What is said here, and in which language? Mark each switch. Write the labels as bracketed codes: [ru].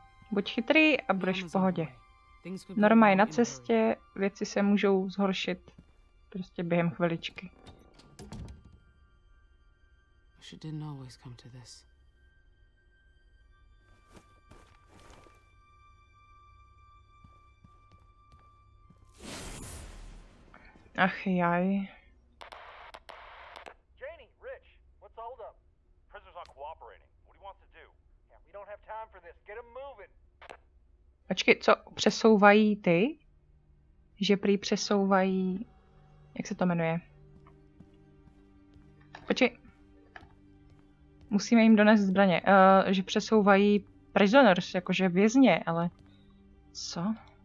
[cs] Buď chytrý a budeš v pohodě. Norma je na cestě, věci se můžou zhoršit prostě během chviličky. [en] She didn't always come to this. [cs] Ach jaj. [en] Janie, Rich, what's hold up? Prisoners aren't cooperating. What do you want to do? Yeah, we don't have time for this. Get him moving. [cs] Počkej, co přesouvají ty? Že prý přesouvají, jak se to jmenuje? Počkej. Musíme jim donést zbraně. Že přesouvají prisoners, jakože vězně, ale co?